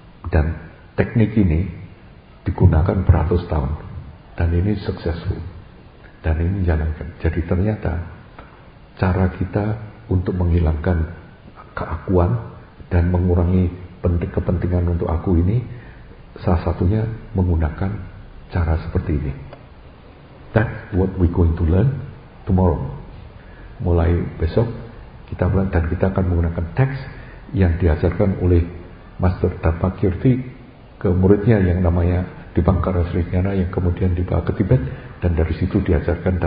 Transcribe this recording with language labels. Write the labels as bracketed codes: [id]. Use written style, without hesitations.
[id] Dan teknik ini digunakan beratus tahun dan ini successful dan ini menjalankan. Jadi ternyata cara kita untuk menghilangkan keakuan dan mengurangi kepentingan untuk aku ini, salah satunya menggunakan cara seperti ini. [en] That's what we going to learn tomorrow. [id] Mulai besok kita belajar, dan kita akan menggunakan teks yang diajarkan oleh Master Dhammakirti ke muridnya yang namanya Dipankara Sri Jnana, yang kemudian dibawa ke Tibet dan dari situ diajarkan.